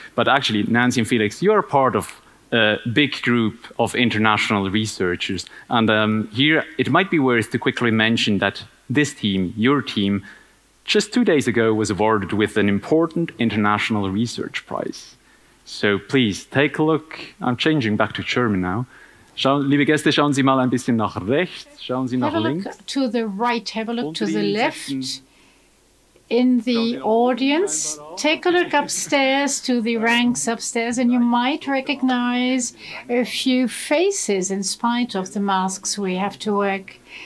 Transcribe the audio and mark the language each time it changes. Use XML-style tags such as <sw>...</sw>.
<en>But actually, Nancy and Felix, you are part of a big group of international researchers. And here, it might be worth to quickly mention that this team, your team, just 2 days ago was awarded with an important international research prize. So please, take a look. I'm changing back to German now.</en> <de>Liebe Gäste, schauen Sie mal ein bisschen nach rechts. Schauen Sie nach links.</de> <en>Have a look to the right. Have a look to the left. In the audience, take a look upstairs to the ranks upstairs, and you might recognize a few faces in spite of the masks we have to work.</en>